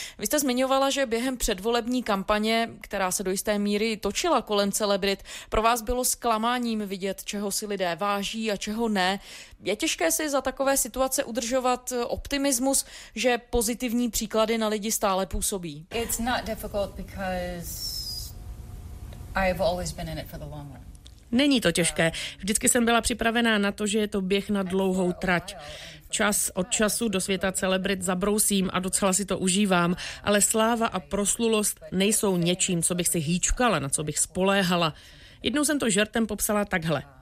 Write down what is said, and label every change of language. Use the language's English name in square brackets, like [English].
[Czech] Vy jste zmiňovala, že během předvolební kampaně, která se do jisté míry točila kolem celebrit, pro vás bylo zklamáním vidět, čeho si lidé váží a čeho ne. Je těžké si za takové situace udržovat optimismus, že pozitivní příklady na lidi stále působí? [English] It's not difficult because I've always been in it for the long run. [Czech] Není to těžké. Vždycky jsem byla připravená na to, že je to běh na dlouhou trať. Čas od času do světa celebrit zabrousím a docela si to užívám, ale sláva a proslulost nejsou něčím, co bych si hýčkala, na co bych spoléhala. Jednou jsem to žertem popsala takhle.